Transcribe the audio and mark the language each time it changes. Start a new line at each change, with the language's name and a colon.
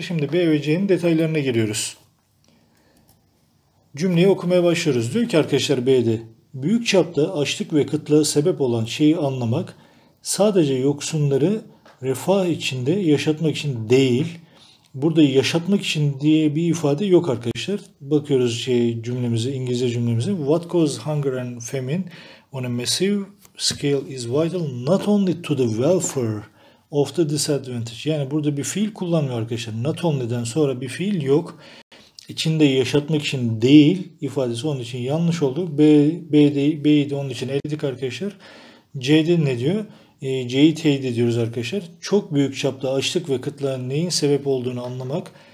Turkish: Şimdi B ve C'nin detaylarına giriyoruz. Cümleyi okumaya başlıyoruz. Diyor ki arkadaşlar B'de büyük çapta açlık ve kıtlığa sebep olan şeyi anlamak sadece yoksulları refah içinde yaşatmak için değil. Burada yaşatmak için diye bir ifade yok arkadaşlar. Bakıyoruz cümlemize, İngilizce cümlemize.
English: What causes hunger and famine on a massive scale is vital not only to the welfare of the disadvantaged.
Turkish: Yani burada bir fiil kullanmıyor arkadaşlar. Not only'den sonra bir fiil yok. İçinde yaşatmak için değil ifadesi onun için yanlış oldu. B'yi de onun için eledik arkadaşlar. C'de ne diyor? C'yi teyit ediyoruz arkadaşlar. Çok büyük çapta açlık ve kıtlığa neyin sebep olduğunu anlamak